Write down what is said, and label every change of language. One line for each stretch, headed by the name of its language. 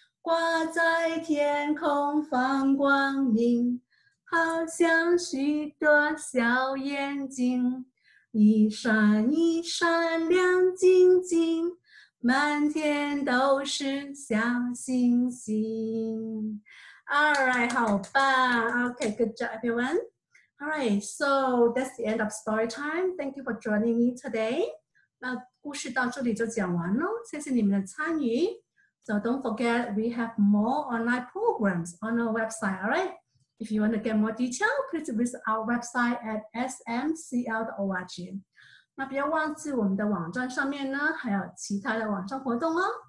Chinese: 挂在天空放光明，好像许多小眼睛，一闪一闪亮晶晶，满天都是小星星。
English: All right, how about? Okay, good job, everyone. All right, so that's the end of story time. Thank you for joining me today.
Chinese: 那故事到这里就讲完了，谢谢你们的参与。
English: So don't forget, we have more online programs on our website, all right? If you want to get more detail, please visit our website at smcl.org.
Chinese: 那不要忘记我们的网站上面呢，还有其他的网上活动哦。